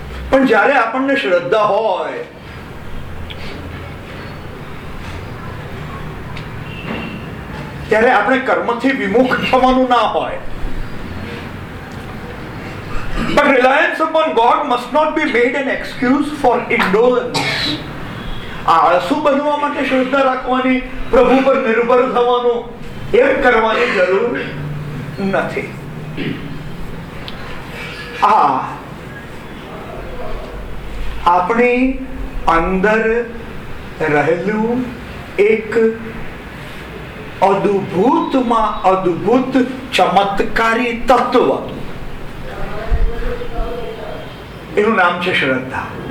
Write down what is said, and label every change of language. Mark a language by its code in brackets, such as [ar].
[gu] પણ જ્યારે આપણને શ્રદ્ધા હોય ત્યારે આપણે કર્મથી વિમુખ થવાનું ના હોય. [en] But reliance upon God must not be made an excuse for indolence. [gu] આ અશુભ બનવા માટે શ્રદ્ધા રાખવાની, પ્રભુ પર નિર્ભર થવાનું એમ કરવાની જરૂર નથી. આ આપણી અંદર રહેલું એક અદ્ભુતમાં અદ્ભુત ચમત્કારી તત્વ, એનું નામ છે શ્રદ્ધા.